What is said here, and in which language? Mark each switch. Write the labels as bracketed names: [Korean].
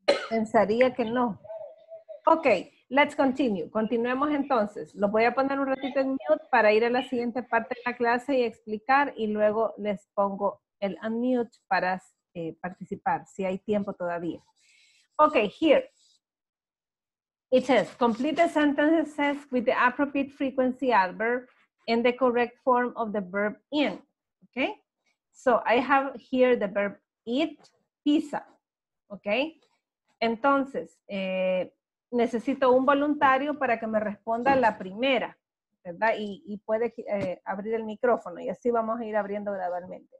[Spanish] Pensaría que no. [English] Ok, let's continue. [Spanish] Continuemos entonces. Lo voy a poner un ratito en mute para ir a la siguiente parte de la clase y explicar y luego les pongo el unmute para participar, si hay tiempo todavía. Okay, here. [English] It says, complete the sentences with the appropriate frequency adverb in the correct form of the verb in. Okay? So, I have here the verb eat pizza. Okay? [Spanish] Entonces, necesito un voluntario para que me responda la primera, ¿verdad? Y puede abrir el micrófono y así vamos a ir abriendo gradualmente.